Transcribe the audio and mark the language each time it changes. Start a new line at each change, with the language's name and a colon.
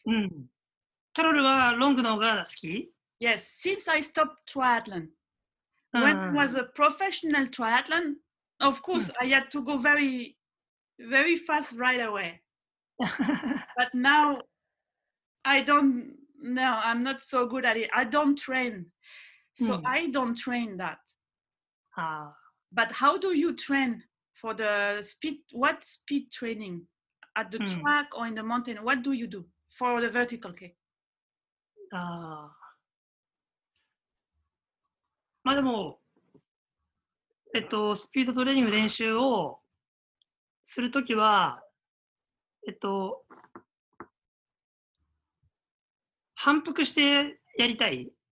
Japanese: うん、キャロルはロングの方が好き?
English: Yes, since I stopped triathlon.、
Japanese: うん、
English: When I was a professional triathlon, of course,、うん、I had to go very, very fast right away. But now, I don't, no, I'm not so good at it. I don't train. So I don't train that. Ah. But how do you train for the speed? What speed training? At the track or in the mountain? What do you do for the vertical K?
Japanese: まあでも、スピードトレーニング練習をするときは、反復してやりたい。